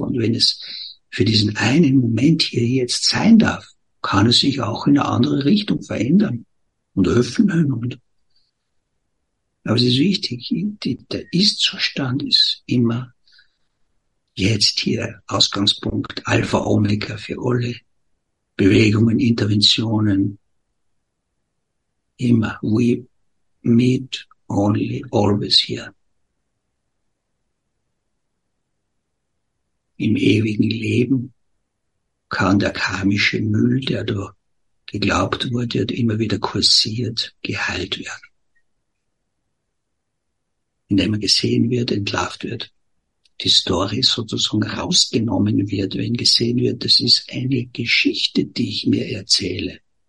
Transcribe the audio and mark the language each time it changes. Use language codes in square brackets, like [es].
[de] Und wenn es für diesen einen Moment hier jetzt sein darf, kann es sich auch in eine andere Richtung verändern und öffnen. Aber es ist wichtig, der Ist-Zustand ist immer jetzt hier Ausgangspunkt Alpha Omega für alle Bewegungen, Interventionen. Immer, [en] we meet only always here. [de] Im ewigen Leben kann der karmische Müll, der da geglaubt wurde, hat immer wieder kursiert, geheilt werden. Indem er gesehen wird, entlarvt wird, die Story sozusagen rausgenommen wird, wenn gesehen wird, das ist eine Geschichte, die ich mir erzähle.